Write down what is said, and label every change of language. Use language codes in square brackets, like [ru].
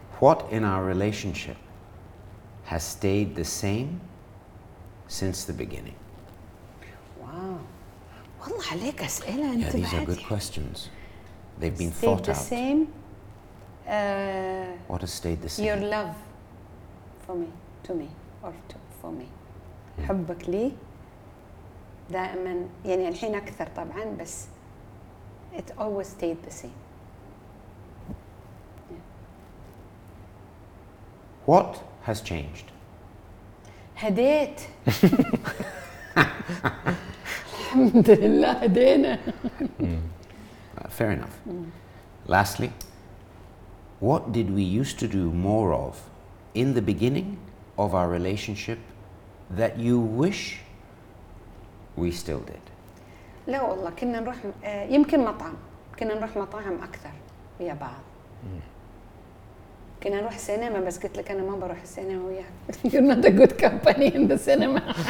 [en] What in our relationship has stayed the same since the beginning? [ar] Wow. والله عليك أسئلة أنت. [en] Yeah, these are good questions. They've been stayed thought the out. Stayed the same. What has stayed the same? Your love for me, to me, or to, for me. [ar] حبك لي دائما يعني الحين أكثر طبعا بس [en] it always stayed the same. Yeah. What has changed? [ar] هديت. الحمد لله هدينا. [en] Fair enough. Lastly, what did we used to do more of in the beginning of our relationship that you wish we still did? [ar] لا والله كنا نروح يمكن مطعم كنا نروح مطاعم أكثر ويا بعض. كنا نروح سينما بس قلت لك أنا ما بروح السينما وياك. [en] You're not a good company in the cinema.